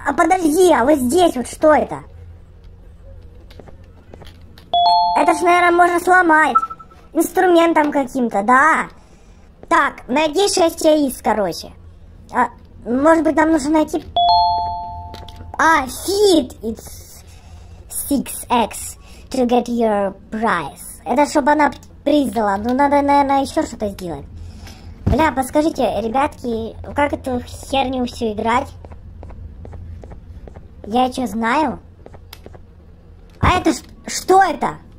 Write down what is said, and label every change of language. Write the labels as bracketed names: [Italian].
[Russian] А подожди, а вот здесь вот что это? Это ж, наверное, можно сломать. инструментом каким-то, да. Так, найди 6 яиц, короче. А, может быть, нам нужно найти... [English] А, feed it's 6x to get your prize. [Russian] Это чтобы она приз дала. Ну, надо, наверное, еще что-то сделать. Бля, подскажите, ребятки, как эту херню всю играть? Я что, знаю? А это что это?